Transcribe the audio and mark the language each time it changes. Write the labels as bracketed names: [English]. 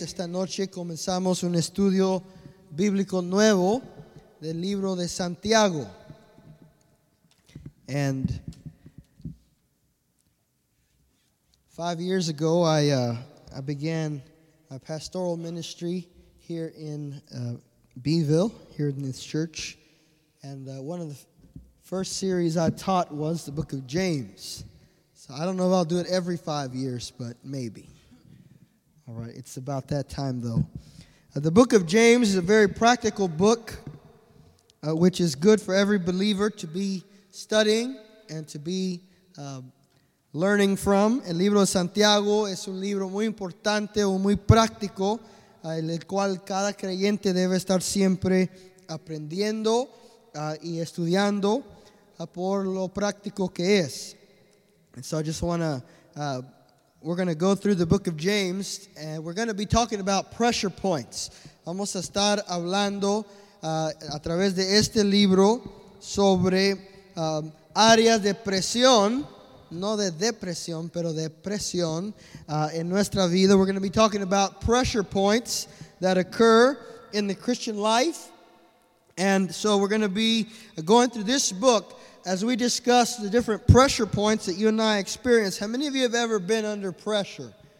[Spanish] Esta noche comenzamos un estudio bíblico nuevo del libro de Santiago. [English] And 5 years ago, I began a pastoral ministry here in Beeville, here in this church, and one of the first series I taught was the book of James. So I don't know if I'll do it every 5 years, but maybe. All right, it's about that time, though. The book of James is a very practical book, which is good for every believer to be studying and to be learning from. [Spanish] El libro de Santiago es un libro muy importante o muy práctico, el cual cada creyente debe estar siempre aprendiendo y estudiando por lo práctico que es. [English] And so I just want to, we're going to go through the book of James, and we're going to be talking about pressure points. [Spanish] Vamos a estar hablando a través de este libro sobre áreas de presión, no de depresión, pero de presión en nuestra vida. [English] We're going to be talking about pressure points that occur in the Christian life. And so we're going to be going through this book as we discuss the different pressure points that you and I experience. How many of you have ever been under pressure?